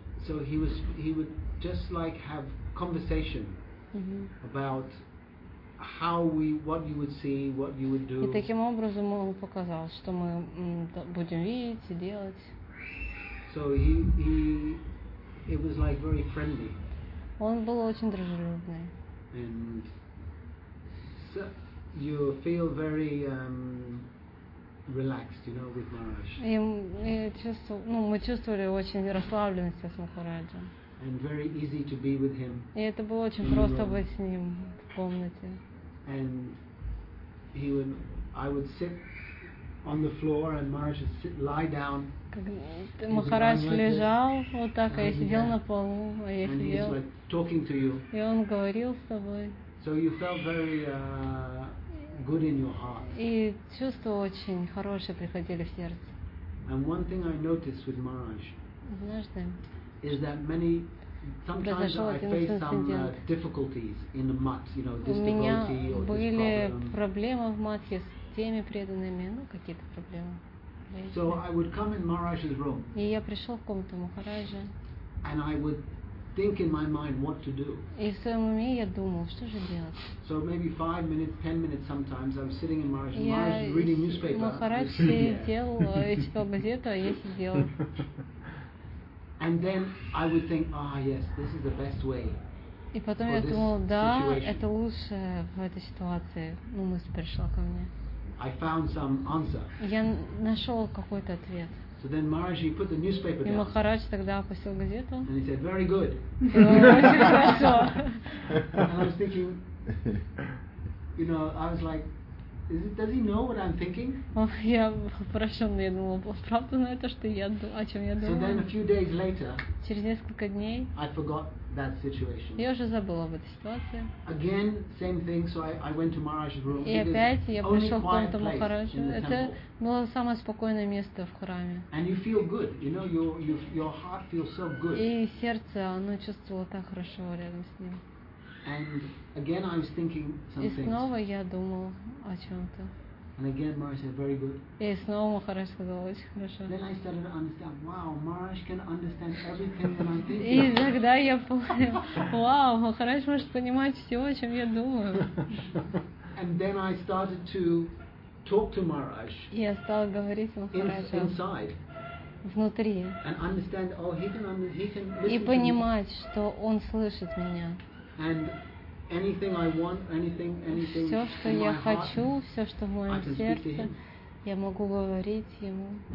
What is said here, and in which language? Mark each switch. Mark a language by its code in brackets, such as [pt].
[en] So he would just like have conversation about how we, what you would see, what you would do. [ru] И таким образом он показал, что мы будем видеть и делать. [en] So he it was like very friendly. [ru] Он был очень дружелюбный. [en] And so you feel very relaxed, you know, with Maharaj. [ru] И чувствовал, ну, мы чувствовали очень расслабленность с Махараджем. [en] And very easy to be with him. [ru] И это было очень просто быть с ним в комнате. [en] And he would, I would sit on the floor, and Maharaj would sit, lie down. [ru] Махарадж лежал вот так, а я сидел на полу, а я сидел. [en] And he's like talking to you. [ru] И он говорил с тобой. [en] So you felt very good in your heart. [ru] И чувства очень хорошие приходили в сердце. [en] And one thing I noticed with Maharaj. [ru] Однажды. [en] Is that many? Sometimes I face some difficulties in the mat, you know, this devotee or this problem. [ru] У меня были проблемы в матхе с теми преданными, ну какие-то проблемы. [en] So I would come in Maharaj's room. [ru] И я пришел в комнату Махараджа. [en] And I would think in my mind what to do. [ru] И в своем уме я думал, что же делать. [en] So maybe 5 minutes, 10 minutes, sometimes I'm sitting in Maharaj's room, Maharaj's reading newspaper. [ru] Махарадж сидел, читал газету, а я сидел. [en] And then I would think, ah, yes, this is the best way. [ru] И потом я думал, да, это лучше в этой ситуации. Ну, мысль пришла ко мне. [en] I found some answer. [ru] Я нашел какой-то ответ. [en] So then Maharaj put the newspaper down. [ru] И Махарадж тогда опустил газету. [en] And he said, very good. [ru] Очень хорошо. [en] And I was thinking, you know, I was like, is it, does he know what I'm thinking? [ru] Я поражён, я думал, правда, но это что я думаю, о чём я думаю. [en] So then a few days later. [ru] Через несколько дней. [en] I forgot that situation. [ru] Я уже забыла об этой ситуации. [en] Again, same thing. So I went to Maharaj's room. [ru] И опять я пришёл к комнату Махараджа. Это было самое спокойное место в храме. [en] And you feel good, you know, your heart feels so good. [ru] И сердце, оно чувствовало так хорошо рядом с ним. [en] And again, I was thinking something. [ru] И снова я думал о чем-то. [en] And again, Maharaj said, "Very good." [ru] И снова Махарадж сказал, очень хорошо. [en] Then I started to understand. Wow, Maharaj can understand everything that I'm thinking. [ru] И тогда я понял, вау, Махарадж может понимать все, о чем я думаю. [en] And then I started to talk to Maharaj. [ru] И я стал говорить с Махараджем. [en] Inside. [ru] Внутри. [en] And understand. Oh, he can listen. [ru] И понимать, что он слышит меня. [en] And anything I want, anything [ru] всё, что я хочу, всё, что в моём сердце, я могу говорить ему.